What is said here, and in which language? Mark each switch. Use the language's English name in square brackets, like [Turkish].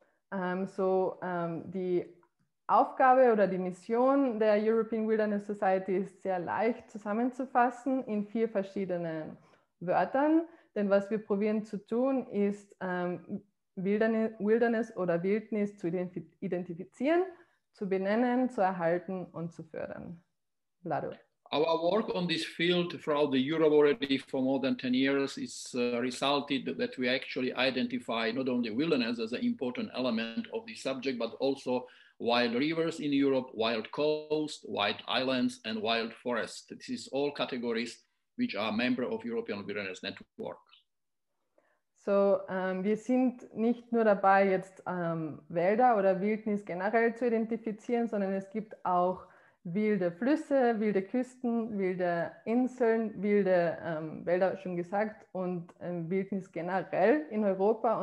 [German] Die Aufgabe oder die Mission der European Wilderness Society ist sehr leicht zusammenzufassen in vier verschiedenen Wörtern. Denn was wir probieren zu tun, ist Wilderness oder Wildnis zu identifizieren, zu benennen, zu erhalten und zu fördern. Vlado. [English] Our work on this field throughout the Europe already for more than 10 years is resulted that we actually identify not only wilderness as an important element of the subject, but also wild rivers in Europe, wild coast, wild islands, and wild forest. This is all categories which are member of European Wilderness Network. [German] So, wir sind nicht nur dabei, jetzt Wälder oder Wildnis generell zu identifizieren, sondern es gibt auch wilde Flüsse, wilde Küsten, wilde Inseln, wilde Wälder, schon gesagt, und Wildnis generell in Europa.